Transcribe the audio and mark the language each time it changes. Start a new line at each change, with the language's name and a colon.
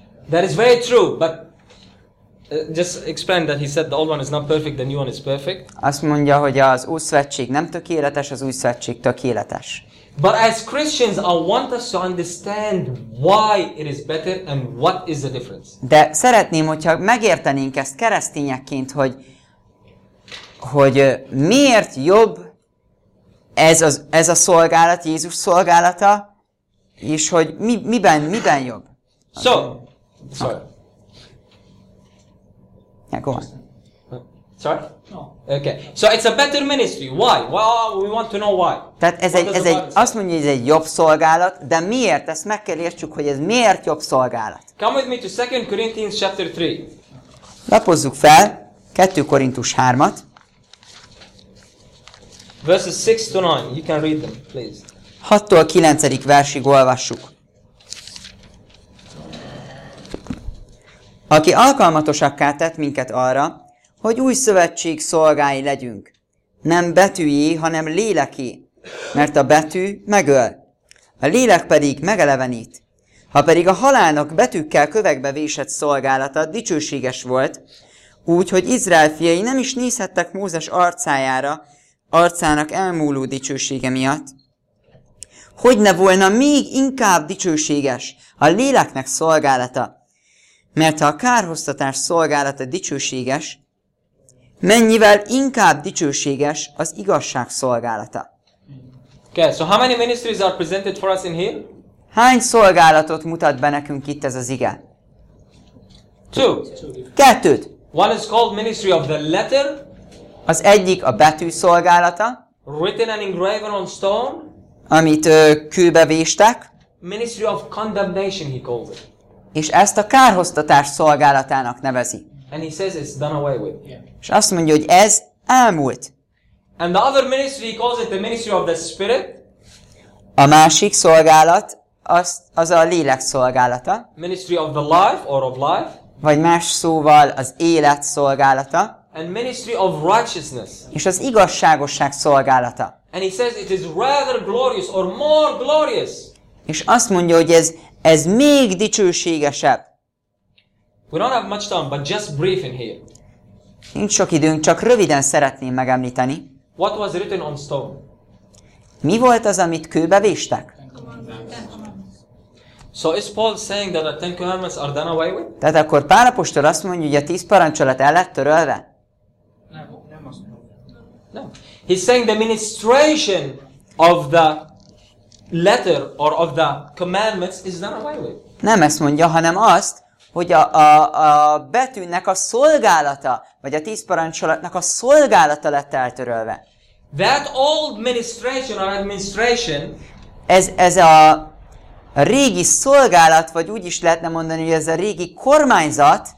English: That is very true, but just explain that he said the old one is not perfect, the new one is perfect.
Hungarian: Azt mondja, hogy az új szövetség nem tökéletes, az új szövetség tökéletes.
English: But as Christians, I want us to understand why it is better and what is the difference.
Hungarian: De szeretném, hogyha megértenénk ezt keresztényekként, hogy miért jobb ez a szolgálat, Jézus szolgálata, és hogy miben jobb?
English: Sorry. Yeah, go on. Sorry? No. Okay. So it's a better ministry. Why? Well, we want to know why.
Hungarian: Tehát ez egy azt mondja, hogy ez egy jobb szolgálat, de miért? Ezt meg kell értsük, hogy ez miért jobb szolgálat.
English: Come with me to 2 Corinthians chapter 3.
Hungarian: Lapozzuk fel 2 Korintus 3-at.
English: Verses 6 to 9, you can read them, please.
Hungarian: 6-tól 9. versig olvassuk. Aki alkalmatosakká tett minket arra, hogy új szövetség szolgái legyünk. Nem betűjé, hanem léleké, mert a betű megöl, a lélek pedig megelevenít. Ha pedig a halálnak betűkkel kövekbe vésett szolgálata dicsőséges volt, Úgyhogy Izrael fiai nem is nézhettek Mózes arcájára, arcának elmúló dicsősége miatt. Hogy ne volna még inkább dicsőséges a léleknek szolgálata? Mert ha a kárhoztatás szolgálata dicsőséges, mennyivel inkább dicsőséges az igazság szolgálata?
English: Okay, so how many ministries are presented for us in here?
Hungarian: Hány szolgálatot mutat be nekünk itt ez az ige?
English: Two.
Hungarian: Kettőt.
English: One is called ministry of the letter.
Hungarian: Az egyik a betű szolgálata.
English: Written and engraven on stone.
Hungarian: Amit kőbe véstek.
English: Ministry of condemnation he calls it.
Hungarian: És ezt a kárhoztatás szolgálatának nevezi.
English: And he says it's done away with.
Hungarian: És azt mondja, hogy ez elmúlt.
English: And the other ministry he calls it the ministry of the spirit.
Hungarian: A másik szolgálat az a lélek szolgálata.
English: Ministry of the life or of life.
Hungarian: Vagy más szóval az élet szolgálata.
English: And ministry of righteousness.
Hungarian: És az igazságosság szolgálata.
English: And he says it is rather glorious or more glorious.
Hungarian: És azt mondja, hogy ez még dicsőségesebb.
English: We don't have much time, but just brief in here.
Hungarian: Nincs sok időnk, csak röviden szeretném megemlíteni.
English: What was written on stone?
Hungarian: Mi volt az, amit kőbe véstek?
English: So is Paul saying that the Ten Commandments are done away with?
Hungarian: Tehát akkor Pál apostol azt mondja, hogy a 10 parancsolat el lett törölve? Nem azt mondja.
English: No. He's saying the ministration of the letter or of the commandments is done away with.
Hungarian: Nem ezt mondja, hanem azt, hogy a betűnek a szolgálata, vagy a 10 parancsolatnak a szolgálata lett eltörölve.
English: That old ministration or administration.
Hungarian: Ez a régi szolgálat, vagy úgy is lehetne mondani, hogy ez a régi kormányzat,